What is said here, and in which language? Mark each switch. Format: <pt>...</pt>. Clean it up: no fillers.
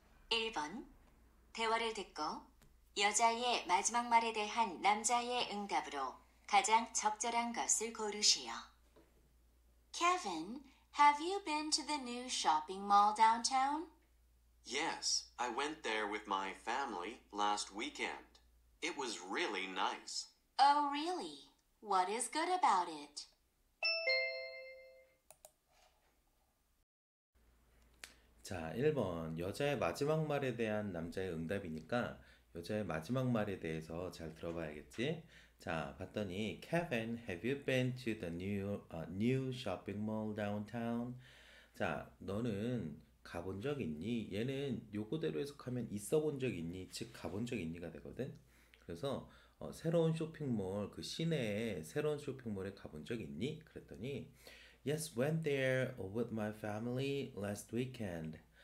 <ko>1번 대화를 듣고 여자의 마지막 말에 대한 남자의 응답으로 가장 적절한 것을 고르시오.</ko> <en>Kevin, have you been to the new shopping mall downtown? Yes, I went there with my family last weekend. It was really nice. Oh, really? What is good about it?</en> <ko>자, 1번 여자의 마지막 말에 대한 남자의 응답이니까 여자의 마지막 말에 대해서 잘 들어봐야겠지? 자, 봤더니</ko> <en>Kevin, have you been to the new shopping mall downtown?</en> <ko>자, 너는 가본 적 있니? 얘는 요거대로 해석하면 있어 본 적 있니? 즉, 가본 적 있니가 되거든? 그래서 새로운 쇼핑몰, 그 시내에 새로운 쇼핑몰에 가본 적 있니? 그랬더니</ko> <en>Yes, went there with my family last weekend.</en>